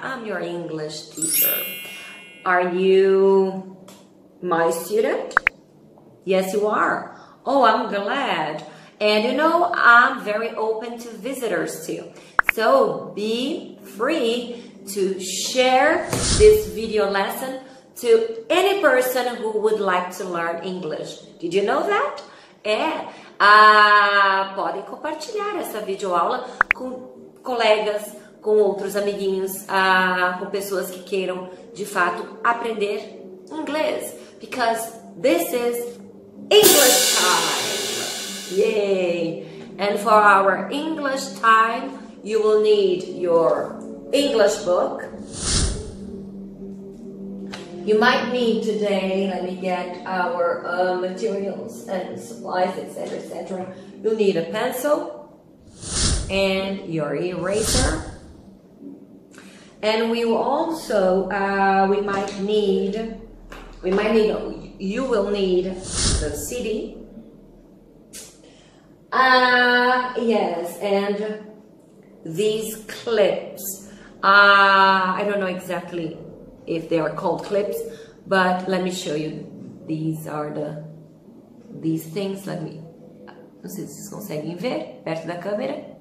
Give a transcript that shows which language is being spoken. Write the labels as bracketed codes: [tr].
[en] I'm your English teacher. Are you my student? Yes, you are. Oh, I'm glad. And you know, I'm very open to visitors too. So be free to share this video lesson to any person who would like to learn English. Did you know that? [pt] É, podem compartilhar essa videoaula com colegas, com outros amiguinhos, com pessoas que queiram, de fato, aprender inglês. [en] Because this is English time! Yay! And for our English time, you will need your English book. You might need today, let me get our materials and supplies, etc., etc. You'll need a pencil and your eraser. And we will also, you will need the CD. Yes, and these clips. I don't know exactly if they are called clips, but let me show you. These things. Let me, [pt] não sei se vocês conseguem ver perto da câmera.